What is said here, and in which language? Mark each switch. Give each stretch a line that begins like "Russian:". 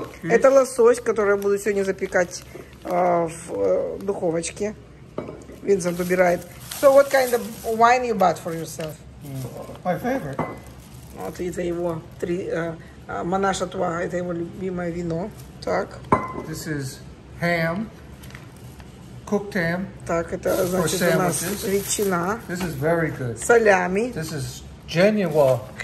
Russian: Это лосось, который я буду сегодня запекать в духовочке. Винсент убирает.
English: So what kind of wine you bought for yourself? My favorite.
Russian: Вот это его три Монаша Туа, это его любимое вино. Так.
English: This is ham. Cooked ham.
Russian: Так, это значит у нас ветчина.
English: This is very good.
Russian: Салями.
English: This is genuine salami.